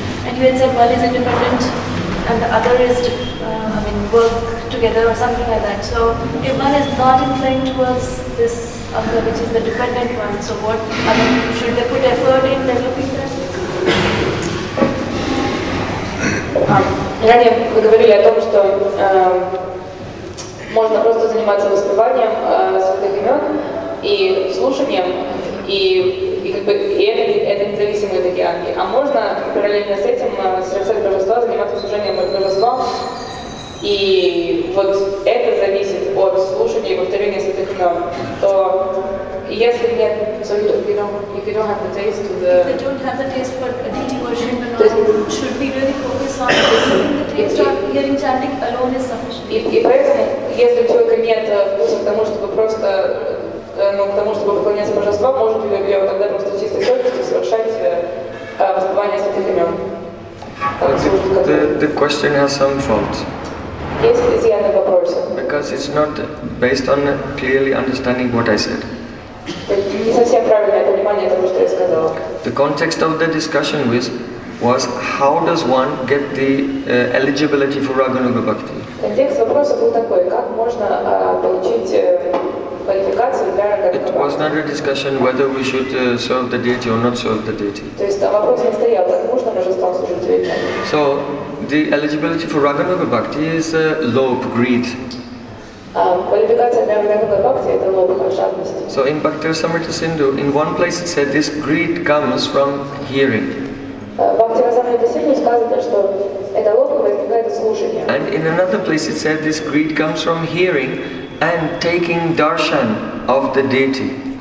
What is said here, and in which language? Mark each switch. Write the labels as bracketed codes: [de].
[en] And you had said one is independent and the other is work together or something like that. So if one is not inclined towards this which is the dependent one. So what should they put effort in developing that? [ru] Ранее вы говорили о том, что можно просто заниматься воспеванием святых имен и слушанием, и это независимые такие ангелы. А можно параллельно с этим совершать божества, заниматься служением божества. И вот это зависит от слушания и повторения святых имен. То если нет, [en] so if you don't have the taste to the... If they don't have the taste for a deity worship, then should we really focus on the taste or hearing chanting alone is sufficient? [ru] Если у человека нет вкуса к тому, чтобы просто, ну, к тому, чтобы поклоняться божеству, может ли он тогда просто чистой совестью совершать воспевание святых имен? [en] The question has some faults. Yes, it's the end of the person. Because it's not based on clearly understanding what I said. [ru] Не совсем правильное понимание того, что я сказала. [en] The context of the discussion was how does one get the eligibility for Raghunuga Bhakti? [ru] Контекст вопроса был такой, как можно получить квалификацию для Raghunuga [en] Bhakti? It was not a discussion whether we should serve the deity or not serve the deity. [ru] То есть вопрос не стоял, как можно божеством служить или нет. [en] So, the eligibility for Raghunuga Bhakti is lobh, greed. [ru] Квалификация для Raghunuga Bhakti – это лобх, жадность. [en] So, in Bhaktivinoda Sindhu, in one place it said this greed comes from hearing. And in another place it said this greed comes from hearing and taking darshan of the deity.